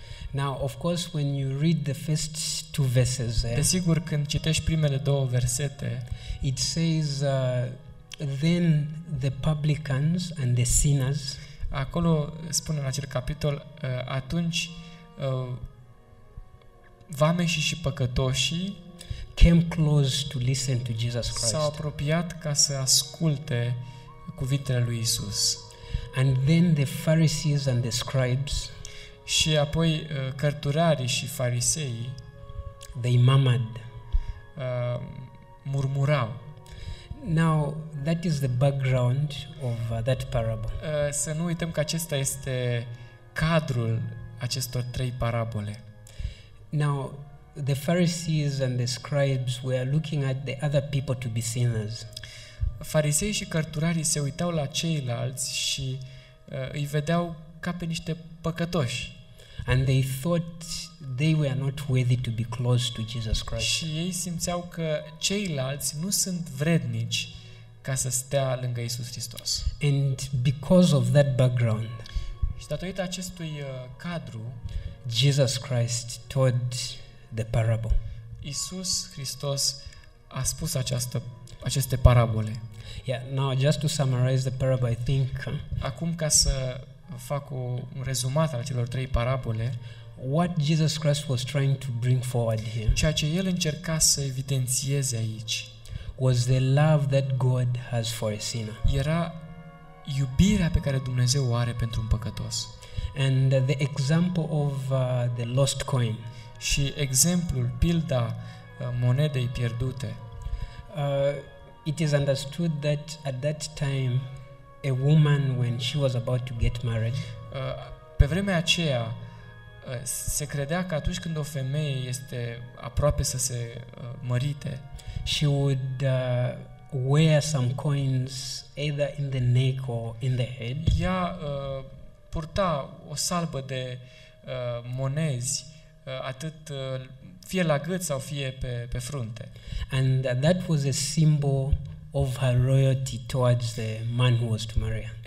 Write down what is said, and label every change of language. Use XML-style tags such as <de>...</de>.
<en>Now, of course, when you read the first two verses,</en> <ro>desigur, când citești primele două versete,</ro> <en>it says, then the publicans and the sinners.</en> <ro>Acolo spune în acel capitol, atunci vameșii și păcătoșii</ro> <en>came close to listen to Jesus Christ.</en> <ro>S-au apropiat ca să asculte cuvintele lui Isus.</ro> <en>And then the Pharisees and the scribes.</en> <ro>Și apoi cărturarii și fariseii,</ro> <en>they murmured.</en> <ro>murmurau.</ro> <en>Now, that is the background of that parable.</en> <ro>Să nu uităm că acesta este cadrul acestor trei parabole.</ro> <en>Now, the Pharisees and the scribes were looking at the other people to be sinners.</en> <ro>Farisei și cărturarii se uitau la ceilalți și îi vedeau ca pe niște păcătoși.</ro> <en>And they thought they were not worthy to be close to Jesus Christ.</en> <ro>Și ei simțeau că ceilalți nu sunt vrednici ca să stea lângă Iisus Hristos.</ro> <en>And because of that background,</en> <ro>și datorită acestui cadru,</ro> <en>Jesus Christ told the parable.</en> <ro>Iisus Hristos a spus aceste parabole.</ro> <en>Yeah, now just to summarize the parable, I think.</en> <ro>Acum ca să fac un rezumat al celor trei parabole.</ro> <en>What Jesus Christ was trying to bring forward here.</en> <ro>Ceea ce el încerca să evidențieze aici.</ro> <en>Was the love that God has for a sinner.</en> <ro>Era iubirea pe care Dumnezeu o are pentru un păcătos.</ro> <en>And the example of the lost coin.</en> <ro>Și exemplul, pilda monedei pierdute.</ro> <en>It is understood that at that time a woman when she was about to get married.</en> <ro>Pe vremea aceea se credea că atunci când o femeie este aproape să se mărite,</ro> <en>she would wear some coins either in the neck or in the head.</en> <ro>Ea purta o salbă de monezi atât fie la gât sau fie pe frunte.</ro> <en>And that was a symbol of her royalty towards the man who was to marry her.</en>